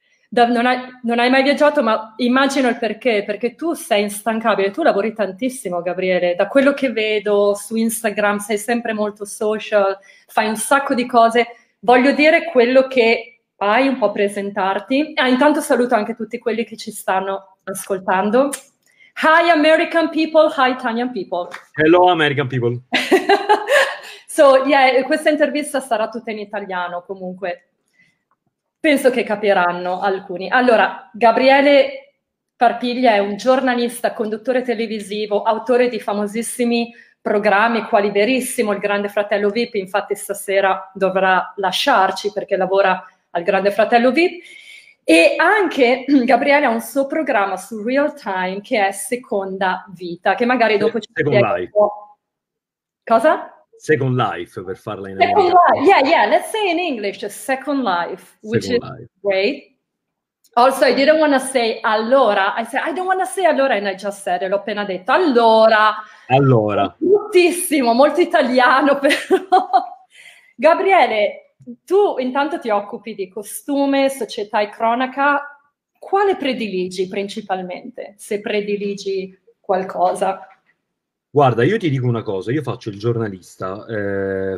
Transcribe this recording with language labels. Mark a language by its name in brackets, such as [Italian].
[Italian] Non hai mai viaggiato, ma immagino il perché tu sei instancabile, tu lavori tantissimo, Gabriele, da quello che vedo su Instagram, sei sempre molto social, fai un sacco di cose, voglio dire quello che fai, un po' presentarti, intanto saluto anche tutti quelli che ci stanno ascoltando. [English] Hi American people, hi Italian people. Hello American people. [Italian] So, yeah, questa intervista sarà tutta in italiano, comunque. Penso che capiranno alcuni. Allora, Gabriele Parpiglia è un giornalista, conduttore televisivo, autore di famosissimi programmi, quali Verissimo, il Grande Fratello VIP, infatti stasera dovrà lasciarci perché lavora al Grande Fratello VIP. E anche Gabriele ha un suo programma su Real Time che è Seconda Vita, che magari dopo ci spiega un po'. Cosa? Second Life, per farla in [English] Second America. Life. Yeah, yeah, let's say in English, Second Life, which Second is life. Great. Also, I didn't want to say allora. I said, I don't want to say allora, and I just said, [Italian] l'ho appena detto, allora. Allora. Moltissimo, molto italiano, però. Gabriele, tu intanto ti occupi di costume, società e cronaca. Quale prediligi principalmente, se prediligi qualcosa? Guarda, io ti dico una cosa, io faccio il giornalista.